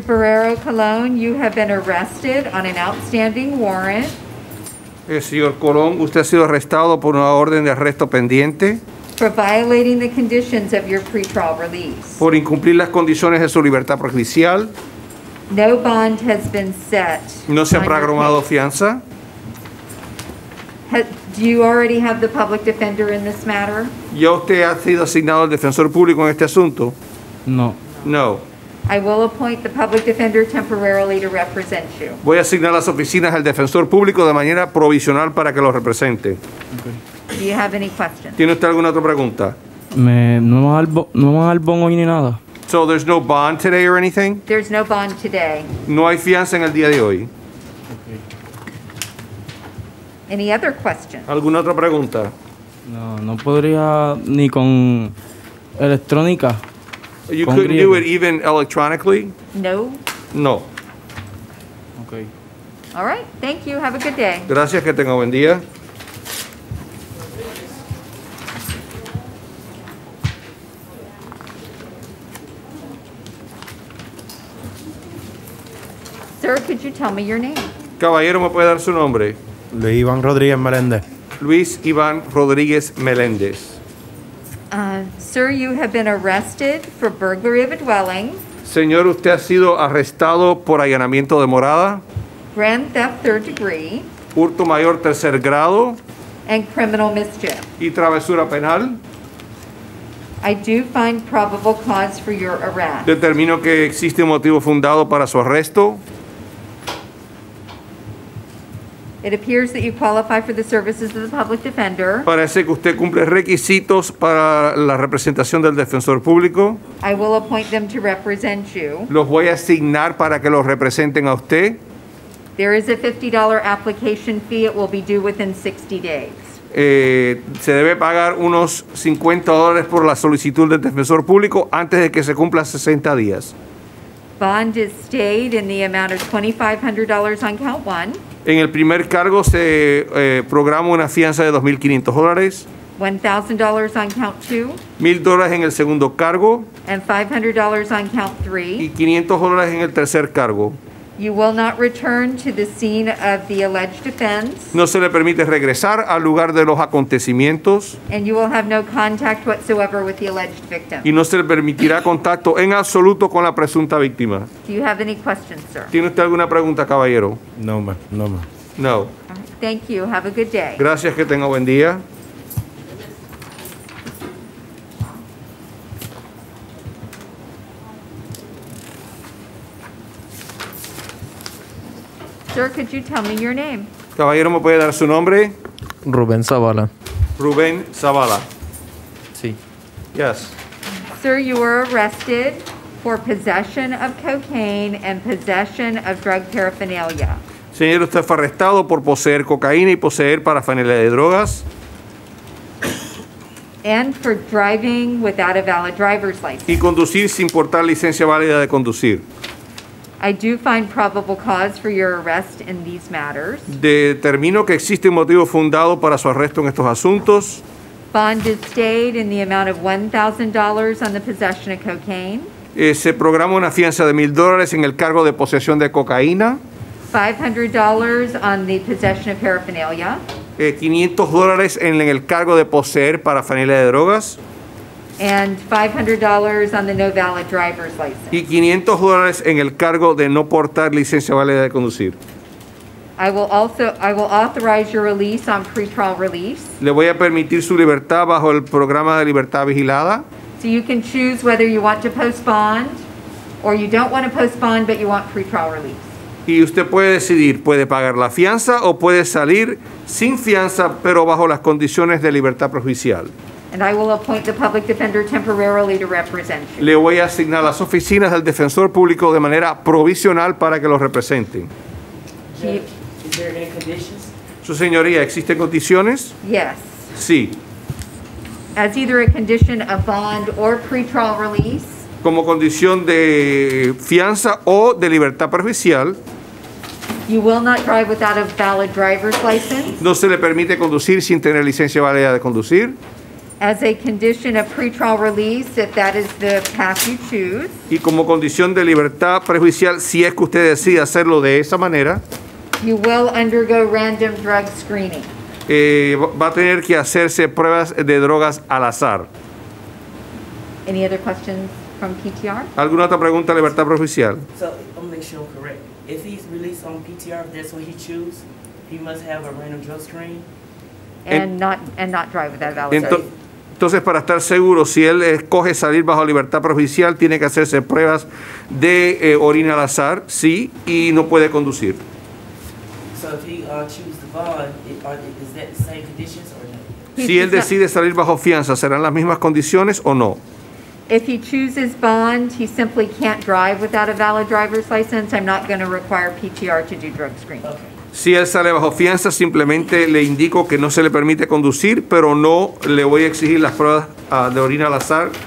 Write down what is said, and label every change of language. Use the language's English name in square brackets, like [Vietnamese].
[English] Borrero Colón, you have been arrested on an outstanding warrant. [Spanish] Señor Colón, usted ha sido arrestado por una orden de arresto pendiente. [English] For violating the conditions of your pretrial release. [Spanish] Por incumplir las condiciones de su libertad prejudicial. [English] No bond has been set. [Spanish] No se ha programado fianza. [English] Do you already have the public defender in this matter? [Spanish] ¿Ya usted ha sido asignado al defensor público en este asunto? No. [English] No. I will appoint the public defender temporarily to represent you. [Spanish] Voy a asignar las oficinas al defensor público de manera provisional para que lo represente. [English] Okay. Do you have any questions? [Spanish] ¿Tiene usted alguna otra pregunta? No me va a dar bond hoy ni nada. [English] So there's no bond today or anything? There's no bond today. [Spanish] No hay fianza en el día de hoy. [English] Okay. Any other questions? [Spanish] ¿Alguna otra pregunta? No, no podría ni con electrónica. [English] You couldn't do it even electronically? [Spanish] No. [English] No. Okay. All right. Thank you. Have a good day. [Spanish] Gracias, que tenga buen día. [English] Sir, could you tell me your name? [Spanish] Caballero, ¿me puede dar su nombre? Luis Iván Rodríguez Meléndez. Luis Iván Rodríguez Meléndez. [English] Sir, you have been arrested for burglary of a dwelling. [Spanish] Señor, usted ha sido arrestado por allanamiento de morada. [English] Grand theft third degree. [Spanish] Hurto mayor tercer grado. [English] And criminal mischief. [Spanish] Y travesura penal. [English] I do find probable cause for your arrest. [Spanish] Determino que existe un motivo fundado para su arresto. [English] It appears that you qualify for the services of the public defender. [Spanish] Parece que usted cumple requisitos para la representación del defensor público. [English] I will appoint them to represent you. [Spanish] Los voy a asignar para que los representen a usted. [English] There is a $50 application fee. It will be due within 60 days. [Spanish] Se debe pagar unos $50 por la solicitud del defensor público antes de que se cumpla 60 días. [English] Bond is stayed in the amount of $2,500 on count one. [Spanish] En el primer cargo se programa una fianza de $2,500. [English] $1,000 on count two. [Spanish] $1,000 en el segundo cargo. [English] And $500 on count three. [Spanish] Y $500 en el tercer cargo. [English] You will not return to the scene of the alleged offense. [Spanish] No se le permite regresar al lugar de los acontecimientos. [English] And you will have no contact whatsoever with the alleged victim. [Spanish] Y no se le permitirá contacto en absoluto con la presunta víctima. [English] Do you have any questions, sir? [Spanish] ¿Tiene usted alguna pregunta, caballero? [English] No, ma'am. No, ma'am. [Spanish] No. [English] Thank you. Have a good day. [Spanish] Gracias, que tenga buen día. [English] Sir, could you tell me your name? [Spanish] Caballero, ¿me puede dar su nombre? Rubén Zavala. Rubén Zavala. Sí. [English] Yes. Sir, you were arrested for possession of cocaine and possession of drug paraphernalia. [Spanish] Señor, usted fue arrestado por poseer cocaína y poseer parafernalia de drogas. [English] And for driving without a valid driver's license. [Spanish] Y conducir sin portar licencia válida de conducir. [English] I do find probable cause for your arrest in these matters. [Spanish] Determino que existe un motivo fundado para su arresto en estos asuntos. [English] Bond is stayed in the amount of $1,000 on the possession of cocaine. [Spanish] Se programa una fianza de $1,000 en el cargo de posesión de cocaína. [English] $500 on the possession of paraphernalia. [Spanish] $500 en el cargo de poseer parafernalia de drogas. [English] And $500 on the no valid driver's license. [Spanish] Y $500 en el cargo de no portar licencia válida de conducir. [English] I will authorize your release on pretrial release. [Spanish] Le voy a permitir su libertad bajo el programa de libertad vigilada. [English] So you can choose whether you want to postpone or you don't want to postpone, but you want pretrial release. [Spanish] Y usted puede decidir, puede pagar la fianza o puede salir sin fianza, pero bajo las condiciones de libertad prejudicial. [English] And I will appoint the public defender temporarily to represent you. [Spanish] Le voy a asignar las oficinas del defensor público de manera provisional para que lo representen. [English] Is there any conditions? [Spanish] Su señoría, ¿existen condiciones? [English] Yes. [Spanish] Sí. [English] As either a condition of bond or pretrial release. [Spanish] Como condición de fianza o de libertad prejudicial. [English] You will not drive without a valid driver's license. [Spanish] No se le permite conducir sin tener licencia válida de conducir. [English] As a condition of pretrial release, if that is the path you choose. [Spanish] Y como condición de libertad prejudicial, si es que usted decide hacerlo de esa manera. [English] You will undergo random drug screening. [Spanish] Va a tener que hacerse pruebas de drogas al azar. [English] Any other questions from PTR? [Spanish] ¿Alguna otra pregunta, libertad prejudicial? [English] So, I'm making sure I'm correct. If he's released on PTR, if that's what he chooses, he must have a random drug screen. And not drive without a valid license. [Spanish] Entonces, para estar seguro, si él escoge salir bajo libertad provisional, tiene que hacerse pruebas de orina al azar, sí, y no puede conducir. [English] So if he chooses the bond, is that the same conditions or no? [Spanish] Si él decide salir bajo fianza, ¿serán las mismas condiciones o no? [English] If he chooses bond, he simply can't drive without a valid driver's license. I'm not going to require PTR to do drug screening. Okay. [Spanish] Si él sale bajo fianza, simplemente le indico que no se le permite conducir, pero no le voy a exigir las pruebas de orina al azar.